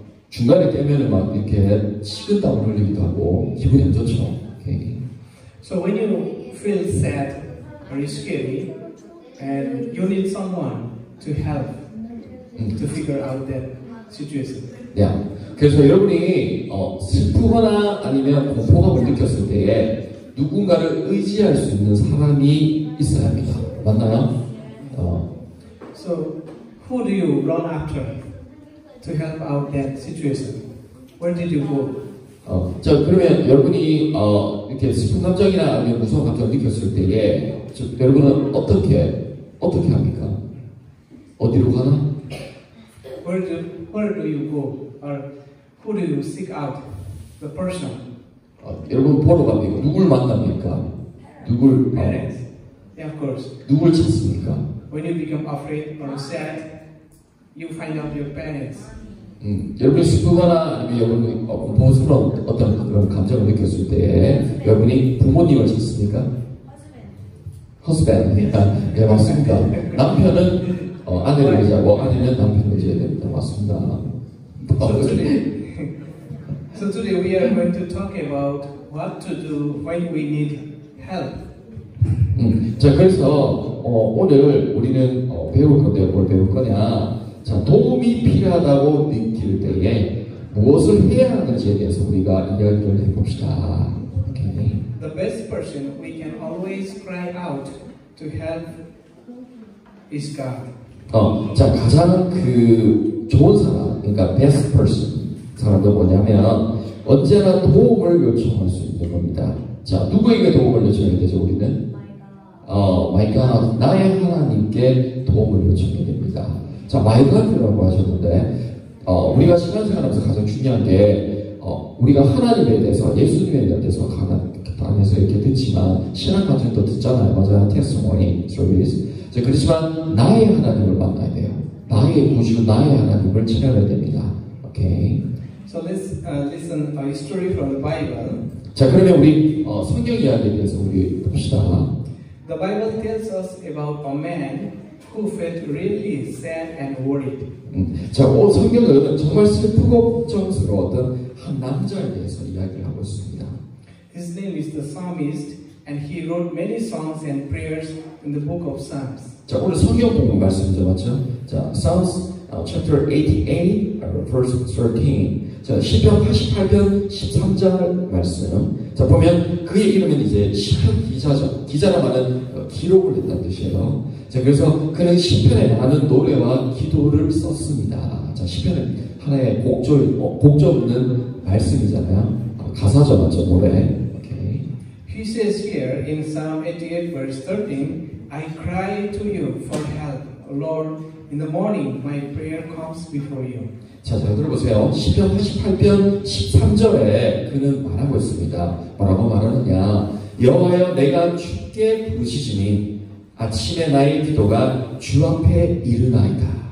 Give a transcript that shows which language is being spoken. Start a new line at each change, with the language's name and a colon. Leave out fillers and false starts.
Korean: 중간에 깨면 막 이렇게 식은땀 흘리기도 하고 기분이 안 좋죠.
English: Okay. So when you feel sad or scary and you need someone to help to figure out that situation. Yeah.
Korean: 그래서 여러분이 슬프거나 아니면 공포감을 느꼈을 때에 누군가를 의지할 수 있는 사람이 있어야 합니다. 맞나요?
English: So who do you run after to help out that situation? Where did you go?
Korean: 자 그러면 여러분이 이렇게 슬픈 감정이나 아니면 무서운 감정을 느꼈을 때에 여러분은 어떻게 합니까? 어디로 가나?
English: Where do you go? Or who do you seek out? The person.
Korean: 여러분 보러 갑니까? 누굴 만납니까? 누굴?
English: Parents. Yeah, of course.
Korean: 누굴 찾습니까?
English: When you become afraid or sad, you find out your parents.
Korean: 여러분 슬프거나 아니면 여러분 보스러운 어떤 그런 감정을 느꼈을 때 여러분이 부모님을 찾습니까?
English: Husband.
Korean: 네 맞습니다. 남편은 아내를 의지하고 아내는 남편을 의지해야 됩니다. 맞습니다.
English: So today we are going to talk about what to do when we need help.
Korean: 자 그래서 오늘 우리는 배울 건데 뭘 배울 거냐? 자 도움이 필요하다고 느낄 때에 무엇을 해야 하는지에 대해서 우리가 이야기를 해봅시다.
English: Okay. The best person we can always cry out to help is God.
Korean: 자 가장 그 좋은 사람, 그러니까
English: best person
Korean: 사람도 뭐냐면 언제나 도움을 요청할 수 있는 겁니다. 자 누구에게 도움을 요청해야 되죠 우리는?
English: My God,
Korean: 나의 하나님께 도움을 요청해야 됩니다. 자
English: My God
Korean: 라고 하셨는데 우리가 신앙생활에서 가장 중요한 게 우리가 하나님에 대해서 예수님에 대해서 강단에서 이렇게 듣지만 신앙과정도 듣잖아요. 맞아요.
English: Testimony service.
Korean: 자, 그렇지만 나의 하나님을 만나야 돼요. 나의 구주, 나의 하나님을 찾아야 됩니다. 오케이.
English: So let's listen a story from the Bible.
Korean: 자, 그러면 우리 성경 이야기에 대해서 우리 봅시다.
English: The Bible tells us about a man who felt really sad and worried.
Korean: 자, 오 성경은 정말 슬프고 걱정스러웠던 한 남자에 대해서 이야기를 하고 있습니다.
English: His name is the Psalmist. And he wrote many songs and prayers in the book of Psalms.
Korean: 자 오늘 성경 본문 말씀이죠, 맞죠?
English: 자 Psalms chapter 88, verse 13.
Korean: 자 시편 88편 13장 말씀. 자 보면 그의 이름은 이제 시편 기자죠. 기자라 말은 기록을 했다는 뜻이에요. 자 그래서 그는 시편에 많은 노래와 기도를 썼습니다. 자 시편은 하나의 곡조 있는 말씀이잖아요. 가사죠, 맞죠? 노래.
English: He says here in Psalm 88 verse 13, I cry to you for help, Lord. In the morning, my prayer comes before you.
Korean: 자, 잘 들어보세요. 시편 88편 13절에 그는 말하고 있습니다. 뭐라고 말하느냐? 여호와여, 내가 주께 부르시지니 아침에 나의 기도가 주 앞에 이르나이다.